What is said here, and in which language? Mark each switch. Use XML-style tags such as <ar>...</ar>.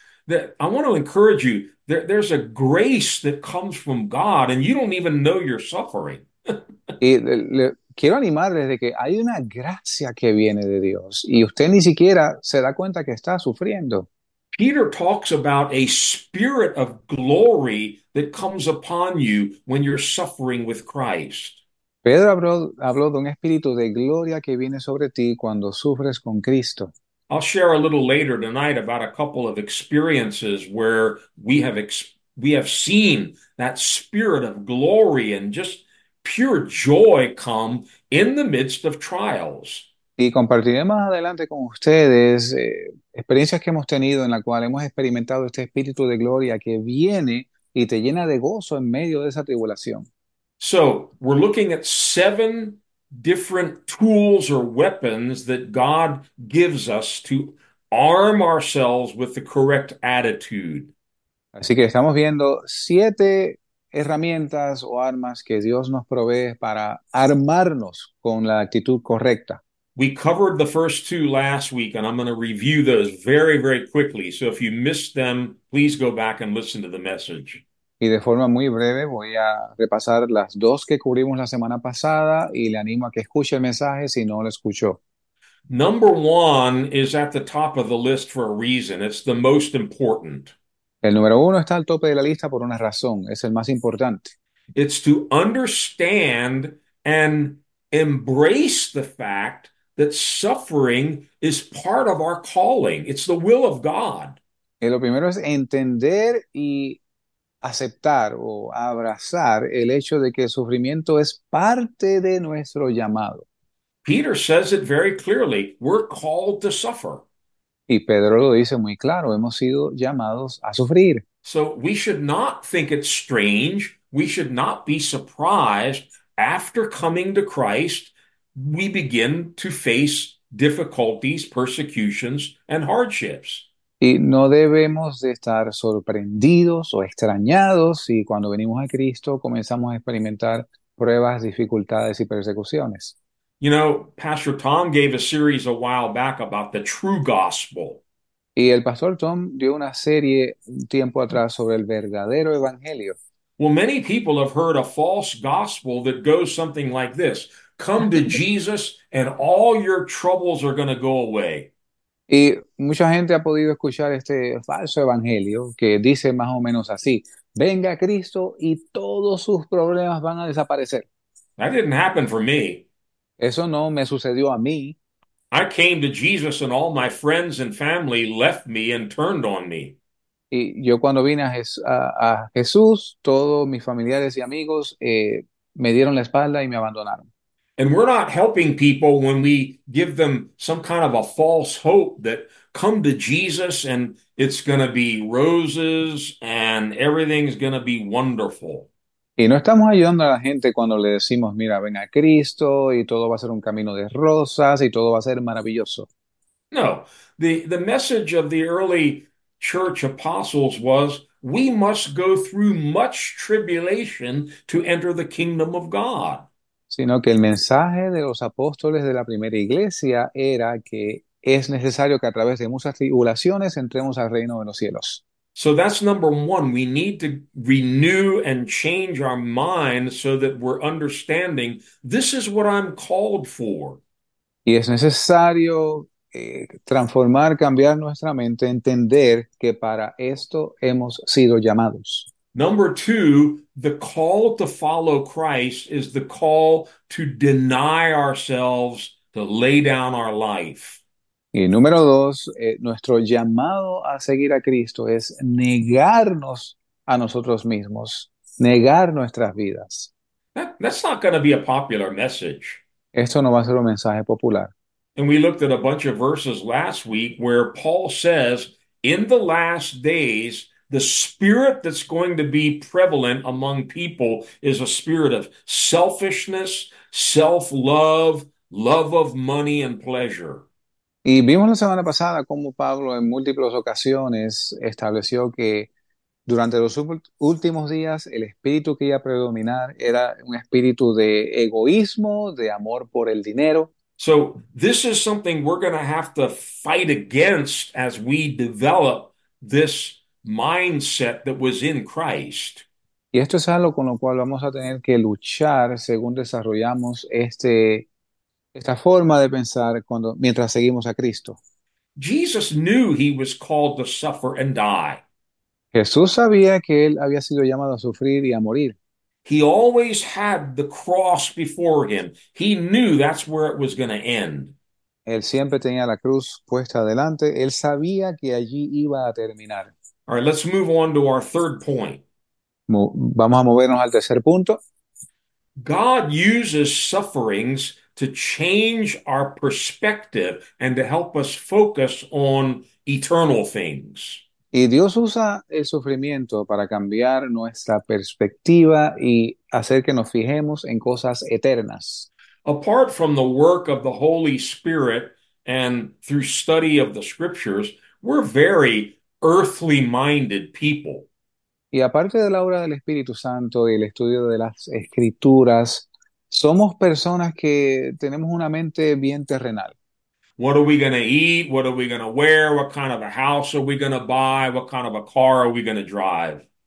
<en>that I want to encourage you, there's a grace that comes from God, and you don't even know you're suffering.</en> <es>Y le quiero animarles de que hay una gracia que viene de Dios y usted ni siquiera se da cuenta que está sufriendo.</es> <en>Peter talks about a spirit of glory that comes upon you when you're suffering with Christ.</en> <es>Pedro habló de un espíritu de gloria que viene sobre ti cuando sufres con Cristo.</es> <en>I'll share a little later tonight about a couple of experiences where we have seen that spirit of glory and just pure joy come in the midst of trials.</en> <es>Y compartiré más adelante con ustedes experiencias que hemos tenido en la cual hemos experimentado este espíritu de gloria que viene y te llena de gozo en medio de esa tribulación.</es> <en>So, we're looking at seven different tools or weapons that God gives us to arm ourselves with the correct attitude.</en> <es>Así que estamos viendo siete herramientas o armas que Dios nos provee para armarnos con la actitud correcta.</es> <en>We covered the first two last week, and I'm going to review those very, very quickly. So if you missed them, please go back and listen to the message.</en> <es>Y de forma muy breve voy a repasar las dos que cubrimos la semana pasada y le animo a que escuche el mensaje si no lo escuchó.</es> <en>Number one is at the top of the list for a reason. It's the most important.</en> <es>El número uno está al tope de la lista por una razón, es el más importante.</es> <en>It's to understand and embrace the fact that suffering is part of our calling. It's the will of God.</en> <es>Y lo primero es entender y aceptar o abrazar el hecho de que el sufrimiento es parte de nuestro llamado.</es> <en>Peter says it very clearly. We're called to suffer.</en> <es>Y Pedro lo dice muy claro, hemos sido llamados a sufrir.</es> <en>So we should not think it's strange. We should not be surprised after coming to Christ. We begin to face difficulties, persecutions, and hardships.</en> <es>Y no debemos de estar sorprendidos o extrañados si cuando venimos a Cristo comenzamos a experimentar pruebas, dificultades y persecuciones.</es> <en>You know, Pastor Tom gave a series a while back about the true gospel.</en> <es>Y el pastor Tom dio una serie un tiempo atrás sobre el verdadero evangelio.</es> <en>Well, many people have heard a false gospel that goes something like this. Come to Jesus and all your troubles are going to go away.</en> <es>Y mucha gente ha podido escuchar este falso evangelio que dice más o menos así: venga Cristo y todos sus problemas van a desaparecer.</es> <en>That didn't happen for me.</en> <es>Eso no me sucedió a mí.</es> <en>I came to Jesus and all my friends and family left me and turned on me.</en> <es>Y yo cuando vine a Jesús, todos mis familiares y amigos me dieron la espalda y me abandonaron.</es> <en>And we're not helping people when we give them some kind of a false hope that come to Jesus and it's going to be roses and everything's going to be wonderful.</en> <es>Y no estamos ayudando a la gente cuando le decimos, mira, ven a Cristo y todo va a ser un camino de rosas y todo va a ser maravilloso.</es> <en>No, the message of the early church apostles was we must go through much tribulation to enter the kingdom of God.</en> <es>Sino que el mensaje de los apóstoles de la primera iglesia era que es necesario que a través de muchas tribulaciones entremos al reino de los cielos.</es> <en>So that's number one. We need to renew and change our mind so that we're understanding this is what I'm called for.</en> <es>Y es necesario transformar, cambiar nuestra mente, entender que para esto hemos sido llamados.</es> <en>Number two, the call to follow Christ is the call to deny ourselves, to lay down our life.</en> <es>Y número dos, nuestro llamado a seguir a Cristo es negarnos a nosotros mismos, negar nuestras vidas.</es> <en>That's not going to be a popular message.</en> <es>Esto no va a ser un mensaje popular.</es> <en>And we looked at a bunch of verses last week where Paul says, in the last days, the spirit that's going to be prevalent among people is a spirit of selfishness, self-love, love of money and pleasure.</en> <es>Y vimos la semana pasada cómo Pablo en múltiples ocasiones estableció que durante los últimos días, el espíritu que iba a predominar era un espíritu de egoísmo, de amor por el dinero.</es> <en>So this is something we're going to have to fight against as we develop this mindset that was in Christ.</en> <es>Y esto es algo con lo cual vamos a tener que luchar según desarrollamos esta forma de pensar cuando mientras seguimos a Cristo.</es> <en>Jesus knew he was called to suffer and die.</en> <es>Jesús sabía que él había sido llamado a sufrir y a morir.</es> <en>He always had the cross before him. He knew that's where it was going to end.</en> <es>Él siempre tenía la cruz puesta adelante. Él sabía que allí iba a terminar.</es> <en>All right, let's move on to our third point.</en> <es>Vamos a movernos al tercer punto.</es> <en>God uses sufferings to change our perspective and to help us focus on eternal things.</en> <es>Y Dios usa el sufrimiento para cambiar nuestra perspectiva y hacer que nos fijemos en cosas eternas.</es> <en>Apart from the work of the Holy Spirit and through study of the scriptures, we're very earthly-minded people.</en> <es>Y aparte de la obra del Espíritu Santo y el estudio de las Escrituras, somos personas que tenemos una mente bien terrenal.</es> <en>What are we going to eat? What are we going to wear? What kind of a house are we going to buy? What kind of a car are we going to drive?</en>